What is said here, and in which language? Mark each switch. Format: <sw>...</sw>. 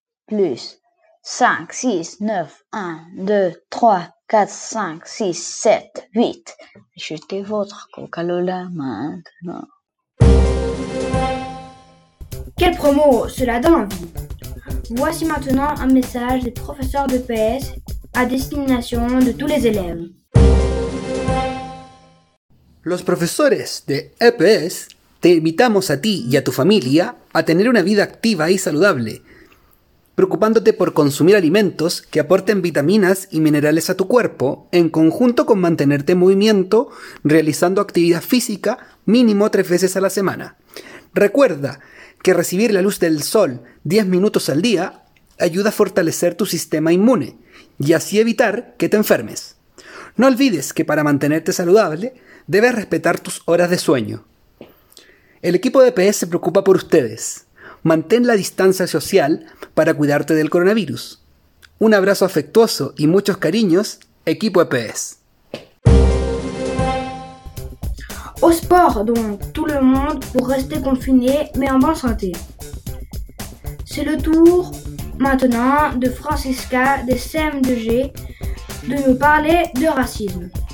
<fr>Plus 5, 6, 9, 1, 2, 3, 4, 5, 6, 7, 8. Achetez votre Coca-Lula maintenant. Quelle promo, cela donne envie. Voici maintenant un message des professeurs de PS à destination de tous les élèves.</fr> <es>Los profesores de EPS te invitamos a ti y a tu familia a tener una vida activa y saludable, preocupándote por consumir alimentos que aporten vitaminas y minerales a tu cuerpo, en conjunto con mantenerte en movimiento, realizando actividad física mínimo 3 veces a la semana. Recuerda que recibir la luz del sol 10 minutos al día ayuda a fortalecer tu sistema inmune y así evitar que te enfermes. No olvides que para mantenerte saludable, debes respetar tus horas de sueño. El equipo de EPS se preocupa por ustedes. Mantén la distancia social para cuidarte del coronavirus. Un abrazo afectuoso y muchos cariños, equipo EPS.</es> <fr>Au sport, donc, tout le monde pour rester confiné, mais en bonne santé. C'est le tour, maintenant, de Francisca, des CM2G, de nous parler de racisme.</fr>